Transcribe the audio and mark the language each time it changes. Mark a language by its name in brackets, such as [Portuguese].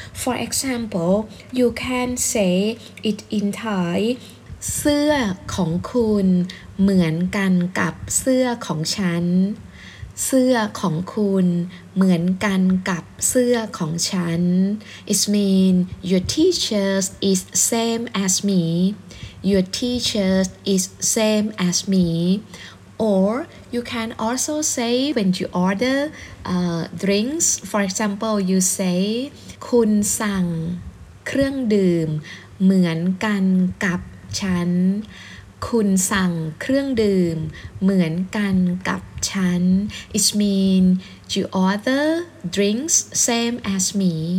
[English] For example, you can say it in Thai, [Thai] เสื้อของคุณเหมือนกันกับเสื้อของฉันเสื้อของคุณเหมือนกันกับเสื้อของฉัน [English] It means your teachers is same as me. Your teachers is same as me. Or you can also say when you order drinks. For example, you say [Thai] คุณสั่งเครื่องดื่มเหมือนกันกับฉันคุณสั่งเครื่องดื่มเหมือนกันกับฉัน [English] It means you order drinks same as me.